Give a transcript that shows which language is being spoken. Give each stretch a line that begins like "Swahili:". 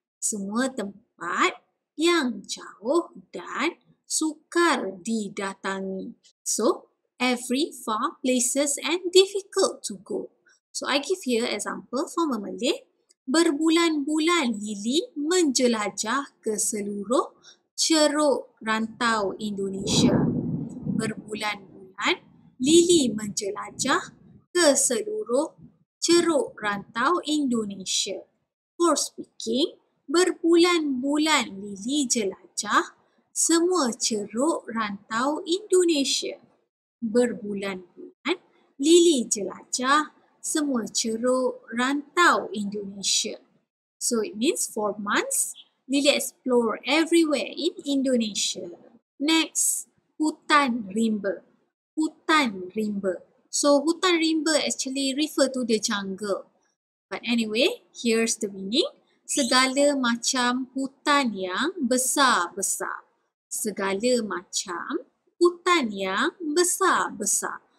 Malay: Semua tempat yang jauh dan sukar didatangi.
English: So, every far places and difficult to go. So, I give here example from a Malay.
Malay: Berbulan-bulan Lily menjelajah ke seluruh ceruk rantau Indonesia. Berbulan-bulan Lily menjelajah ke seluruh ceruk rantau Indonesia.
English: For speaking,
Malay: berbulan-bulan Lily jelajah semua ceruk rantau Indonesia. Berbulan-bulan Lily jelajah semua ceruk rantau Indonesia.
English: So it means 4 months, Lily explore everywhere in Indonesia.
Malay: Next, hutan rimba. Hutan rimba.
English: So hutan rimba actually refer to the jungle. But anyway, here's the meaning.
Malay: Segala macam hutan yang besar-besar. Segala macam hutan yang besar-besar.